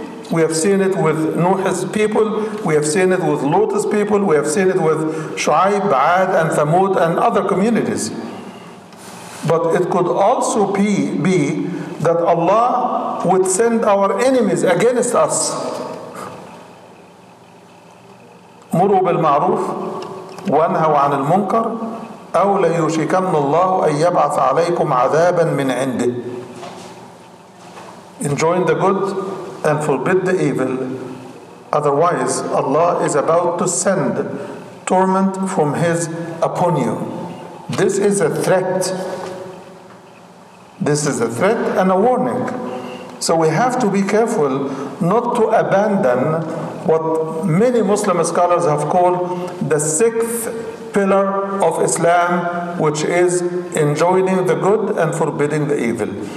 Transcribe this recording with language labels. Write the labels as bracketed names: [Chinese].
[English] We have seen it with Nuh's people. We have seen it with Lot's people. We have seen it with Shu'aib, Ba'ad, and Thamud, and other communities. But it could also be that Allah would send our enemies against us. [Arabic] مروا بالمعروف وانهوا عن المنكر أو ليوشكن الله أن يبعث عليكم عذابا من عنده. [English] Enjoin the good and forbid the evil. Otherwise, Allah is about to send torment from His upon you. This is a threat. This is a threat and a warning. So we have to be careful not to abandon what many Muslim scholars have called the sixth pillar of Islam, which is enjoining the good and forbidding the evil.